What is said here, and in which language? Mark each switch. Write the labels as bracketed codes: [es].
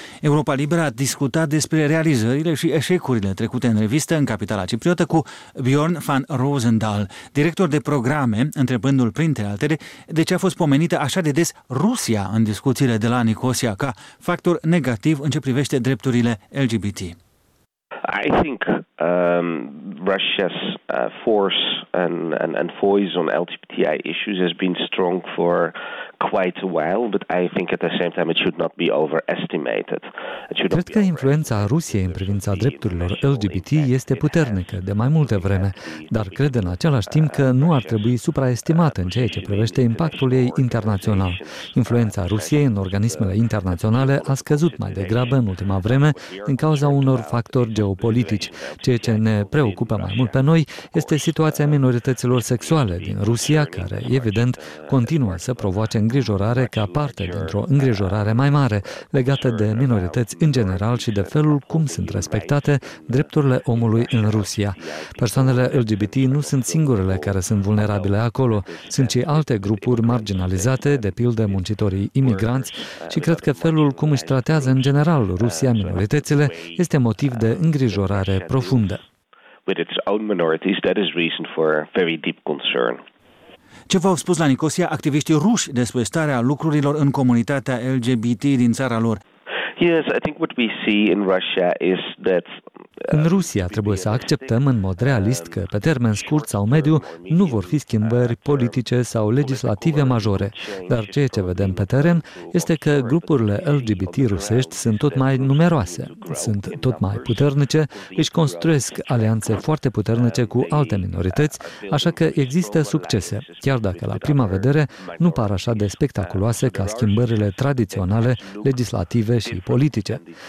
[ro] Europa Liberă a discutat despre realizările și eșecurile trecute în revistă în capitala cipriotă cu Bjorn van Roosendaal, director de programe, întrebându-l printre altele de ce a fost pomenită așa de des Rusia în discuțiile de la Nicosia ca factor negativ în ce privește drepturile LGBT. [en] I think Russia's force and voice on LGBTI issues has been strong for quite a while, but I think at the same time it should not be overestimated. [ro] Cred că influența Rusiei în privința drepturilor LGBT este puternică de mai multă vreme, dar cred în același timp că nu ar trebui supraestimată în ceea ce privește impactul ei internațional. Influența Rusiei în organismele internaționale a scăzut mai degrabă în ultima vreme din cauza unor factori geopolitici. Ceea ce ne preocupă mai mult pe noi este situația minorităților sexuale din Rusia, care, evident, continuă să provoace îngrijorare ca parte dintr-o îngrijorare mai mare legată de minorități în general și de felul cum sunt respectate drepturile omului în Rusia. Persoanele LGBT nu sunt singurele care sunt vulnerabile acolo, sunt și alte grupuri marginalizate, de pildă muncitorii imigranți, și cred că felul cum își tratează în general Rusia minoritățile este motiv de îngrijorare profundă. [en] With its own minorities, that is reason for very deep concern. [ro] Ce v-au spus la Nicosia activiștii ruși despre starea lucrurilor în comunitatea LGBT din țara lor? [en] Yes, I think what we see in Russia is that [ro] în Rusia trebuie să acceptăm în mod realist că pe termen scurt sau mediu nu vor fi schimbări politice sau legislative majore, dar ceea ce vedem pe teren este că grupurile LGBT rusești sunt tot mai numeroase, sunt tot mai puternice, își construiesc alianțe foarte puternice cu alte minorități, așa că există succese, chiar dacă la prima vedere nu par așa de spectaculoase ca schimbările tradiționale, legislative și politice.